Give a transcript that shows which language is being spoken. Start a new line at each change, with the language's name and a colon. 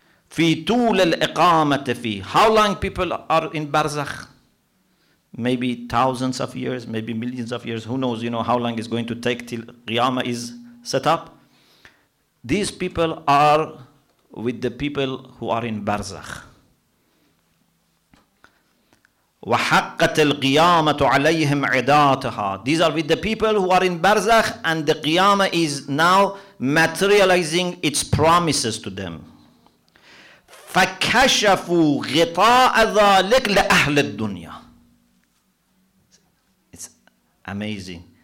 Arabic: في طول الإقامة فيه.
English: How long people are in Barzakh? Maybe thousands of years, maybe millions of years. Who knows, you know, how long it's going to take till Qiyamah is set up. These people are with the people who are in Barzakh.
Arabic: وحقت القيامة عليهم عداتها.
English: These are with the people who are in Barzakh, and the Qiyamah is now materializing its promises to them.
Arabic: فَكَشَفُوا غِطَاءَ ذَلِكَ لِأَهْلِ الدُّنْيَا.
English: It's amazing.